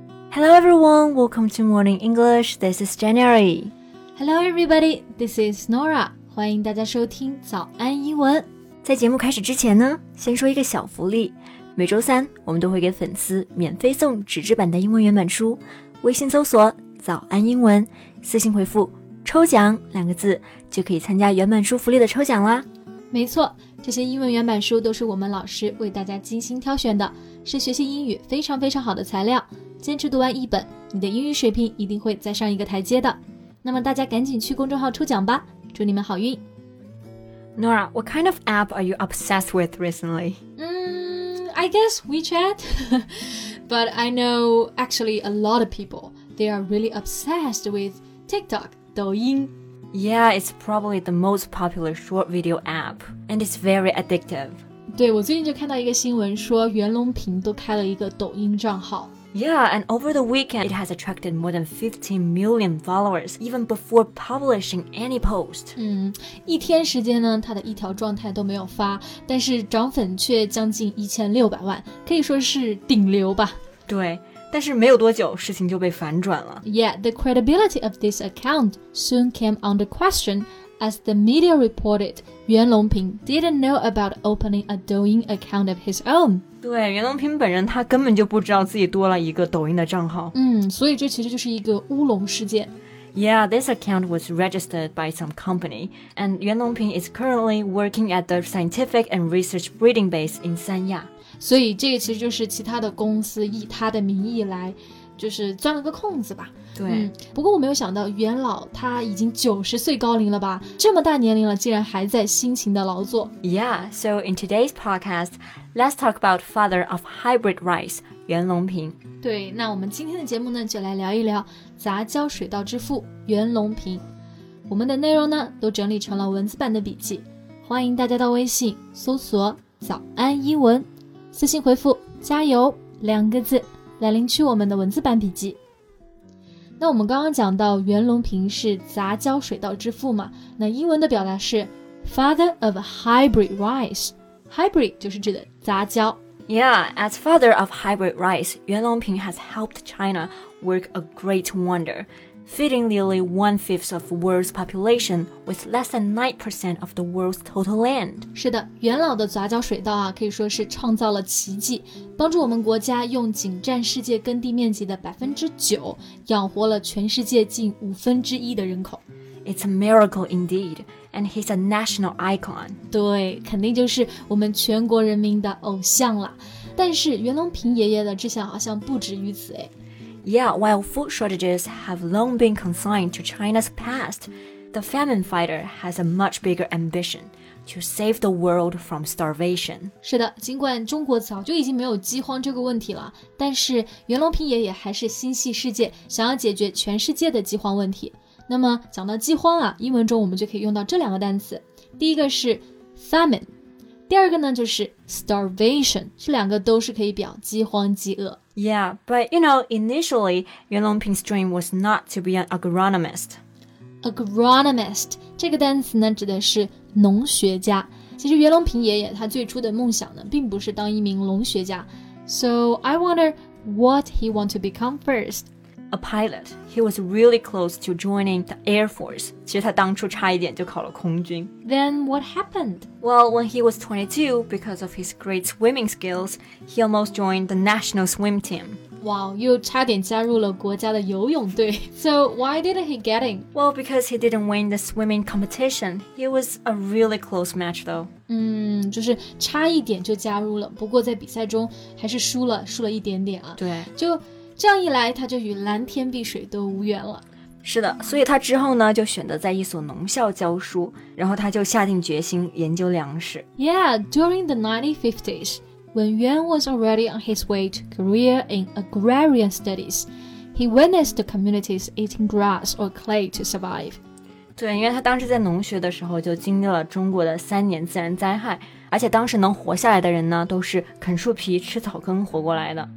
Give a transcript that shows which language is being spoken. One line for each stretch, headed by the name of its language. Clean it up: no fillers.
English: Hello everyone, welcome to Morning English, this is January. Hello everybody, this is Nora,
Chinese: 欢迎大家收听早安英文。在节目开始之前呢，先说一个小福利，每周三我们都会给粉丝免费送纸质版的英文原版书，微信搜索早安英文，私信回复抽奖两个字，就可以参加原版书福利的抽奖啦。没错，这些英文原版书都是我们老师为大家精心挑选的，是学习英语非常非常好的材料，坚持读完一本，你的英语水平一定会再上一个台阶的。那么大家赶紧去公众号抽奖吧，祝你们好运。
English: Nora, what kind of app are you obsessed with recently? I guess WeChat. But I know actually a lot of people, they are really obsessed with TikTok, Douyin. Yeah, it's probably the most popular short video app, and it's very addictive.
Chinese: 对，我最近就看到一个新闻说袁隆平都开了一个抖音账号。
English: Yeah, and over the weekend, it has attracted more than 15 million followers, even before publishing any post.
Chinese: 一天时间呢，他的一条状态都没有发，但是涨粉却将近1600万，可以说是顶流吧。对，但是没有多久，事情就被反转了。
English: Yeah, the credibility of this account soon came under question, as the media reported, 袁隆平 didn't know about opening a Douyin account of his own.
Chinese: 对，袁隆平本人他根本就不知道自己多了一个抖音的账号。所以这其实就是一个乌龙事件。
English: Yeah, this account was registered by some company, and 袁隆平 is currently working at the scientific and research breeding base in 三亚。
Chinese: 所以这个其实就是其他的公司以他的名义来，就是钻了个空子吧。对。不过我没有想到袁老他已经90岁高龄了吧，这么大年龄了竟然还在辛勤的劳作。
English: Yeah, so in today's podcast,Let's talk about father of hybrid rice, 袁隆平。
Chinese: 对，那我们今天的节目呢，就来聊一聊杂交水稻之父袁隆平。我们的内容呢，都整理成了文字版的笔记，欢迎大家到微信搜索“早安英文”，私信回复“加油”两个字来领取我们的文字版笔记。那我们刚刚讲到袁隆平是杂交水稻之父嘛，那英文的表达是
English: father of hybrid rice。
Chinese: Hybrid 就是指的杂交。
English: Yeah, as father of hybrid rice, 袁隆平 has helped China work a great wonder, feeding nearly one-fifth of the world's population with less than 9% of the world's total land.
Chinese: 是的，袁老的杂交水稻啊，可以说是创造了奇迹，帮助我们国家用仅占世界耕地面积的 9% 养活了全世界近五分之一的人口。
English: It's a miracle indeed, and he's a national icon.
Chinese: 对，肯定就是我们全国人民的偶像了。但是袁隆平爷爷的志向好像不止于此。
English: Yeah, while food shortages have long been consigned to China's past, the famine fighter has a much bigger ambition to save the world from starvation.
Chinese: 是的，尽管中国早就已经没有饥荒这个问题了，但是袁隆平爷爷还是心系世界，想要解决全世界的饥荒问题。那么讲到饥荒啊，英文中我们就可以用到这两个单词，第一个是 famine， 第二个呢就是 starvation， 这两个都是可以表饥荒饥饿。
English: Yeah, but you know, initially, 袁隆平's dream was not to be an agronomist.
Chinese: Agronomist 这个单词呢指的是农学家，其实袁隆平爷爷他最初的梦想呢并不是当一名农学家。
English: So I wonder what he want to become first A pilot. He was really close to joining the Air Force.
Chinese: 其实他当初差一点就考了空军。
English: Then what happened? Well, when he was 22, because of his great swimming skills, he almost joined the national swim team.
Chinese: Wow, 又差点加入了国家的游泳队。
English: So why didn't he get in? Well, because he didn't win the swimming competition. It was a really close match, though.
Chinese: 就是差一点就加入了，不过在比赛中还是输了一点点啊。对。就这样一来他就与蓝天碧水都无缘了。是的，所以他之后呢就选择在一所农校教书，然后他就下定决心研究粮食。
English: Yeah, during the 1950s, when Yuan was already on his way to career in agrarian studies, he witnessed the communities eating grass or clay to survive.
Chinese: 对，因为他当时在农学的时候就经历了中国的三年自然灾害，而且当时能活下来的人呢都是啃树皮吃草根活过来的。